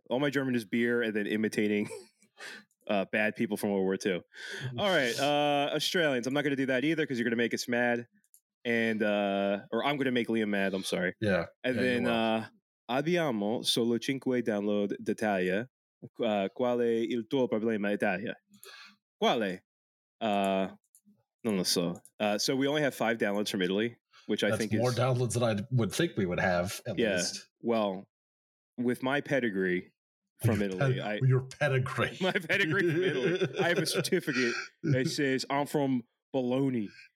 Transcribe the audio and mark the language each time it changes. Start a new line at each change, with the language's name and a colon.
English: All my German is beer and then imitating bad people from World War II. All right. Australians. I'm not going to do that either because you're going to make us mad. And or I'm going to make Liam mad. I'm sorry. Yeah. And then
Italian: abbiamo solo 5 download d'Italia. Quale il tuo problema Italia? Quale? Non lo so.
English: So we only have 5 downloads from Italy, which That's I think more is... more downloads than I would think we would have, at least. Well... with my pedigree from your Italy. My pedigree from Italy. I have a certificate that says I'm from Bologna.